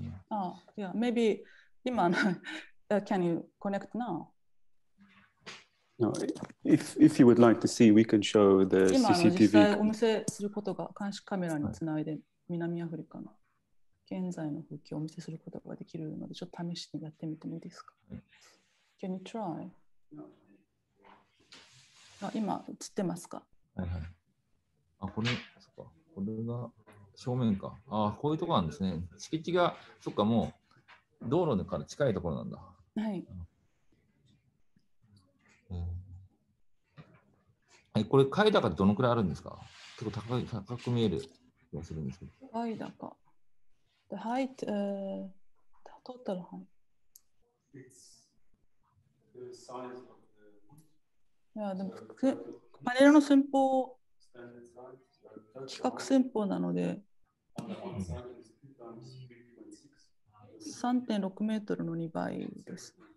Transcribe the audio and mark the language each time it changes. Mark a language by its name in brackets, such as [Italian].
[English] あ、いや、maybe 今あのCan you connect now? No, if you would like to see, we can show the CCTV. [Japanese] 今あの実際お見せすることが監視カメラにつないで、南アフリカの現在の風景をお見せすることができるので、ちょっと試してやってみてもいいですか？ [English] Can you try? No. [Japanese] 今映ってますか？はいはい。あ、これ、そっか。これが正面か。あ、こういうとこなんですね。敷地が、そっか、もう道路から近いところなんだ。はい。え、これ階高どのくらいあるんですか？結構高く見える気がするんですけど。階高。 [English] The height, the total height. It's the size [Japanese] of the... いや、でも、パネルの寸法、規格寸法なので。 3.6 メートルの2倍です。